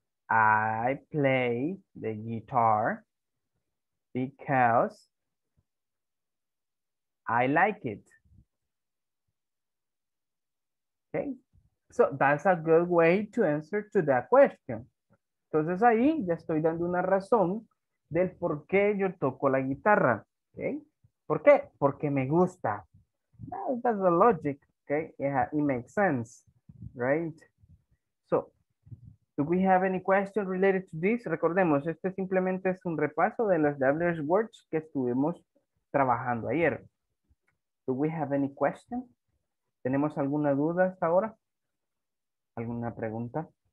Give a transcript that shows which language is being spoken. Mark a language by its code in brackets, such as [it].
[en] I play the guitar because I like it. Okay, so that's a good way to answer to that question. [es] Entonces ahí ya estoy dando una razón del por qué yo toco la guitarra. Okay, ¿por qué? Porque me gusta. [en] That's the logic. Okay, yeah, it makes sense, right? So, do we have any questions related to this? [es] Recordemos, este simplemente es un repaso de las WH words que estuvimos trabajando ayer. [en] Do we have any question? [es] ¿Tenemos alguna duda hasta ahora? ¿Alguna pregunta?